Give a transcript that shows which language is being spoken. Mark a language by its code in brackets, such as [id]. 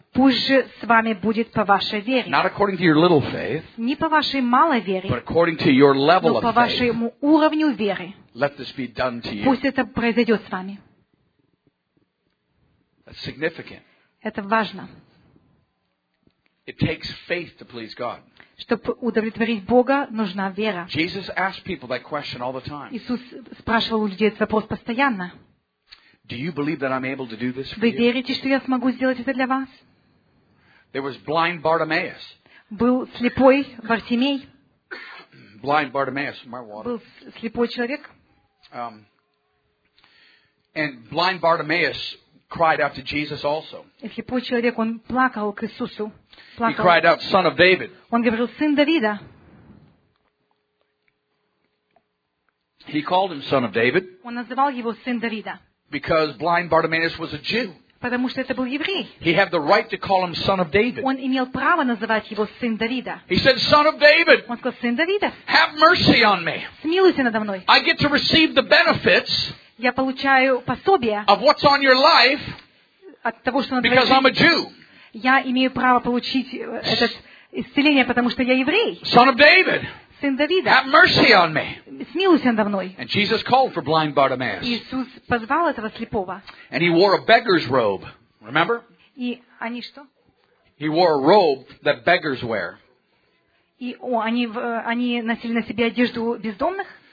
[ru] Пусть же с вами будет по вашей вере. [en] Not according to your little faith. [ru] Не по вашей малой вере. [en] But according to your level of faith. [ru] Но по вашему уровню веры. [en] Let this be done to you. [ru] Пусть это произойдет с вами. [en] That's significant. [ru] Это важно. [en] It takes faith to please God. [ru] Чтобы удовлетворить Бога, нужна вера. [en] Jesus asked people that question all the time. [ru] Иисус спрашивал у людей этот вопрос постоянно. [en] Do you believe that I'm able to do this for you? [ru] Вы верите, что я смогу сделать это для вас? [en] There was blind Bartimaeus. [ru] Был слепой Бартимей. [en] Blind Bartimaeus, my water. [ru] Был слепой человек. [en] And blind Bartimaeus cried out to Jesus also. [ru] И слепой человек, он плакал к Иисусу. [en] He cried out, "Son of David." [ru] Он говорил, сын Давида. [en] He called him son of David. [ru] Он называл его сын Давида. [en] Because blind Bartimaeus was a Jew. [ru] Потому что это был еврей. [en] He had the right to call him son of David. [ru] Он имел право называть его сын Давида. [en] He said, "Son of David." [ru] Он сказал, сын Давида. [en] Have mercy on me. [ru] Смилуйся надо мной. [en] I get to receive the benefits. [ru] Я получаю пособие. [en] Of what's on your life. [ru] От того, что на твоей. [en] Because I'm a Jew. [ru] Я имею право получить это исцеление, потому что я еврей. [en] Son of David. [ru] Сын Давида. [en] Have mercy on me. [ru] Смилуйся надо мной. [en] And Jesus called for blind Bartimaeus. [ru] Иисус позвал этого слепого. [en] And he wore a beggar's robe. Remember? [ru] И они что? [en] He wore a robe that beggars wear. [ru] И они носили на себе одежду бездомных?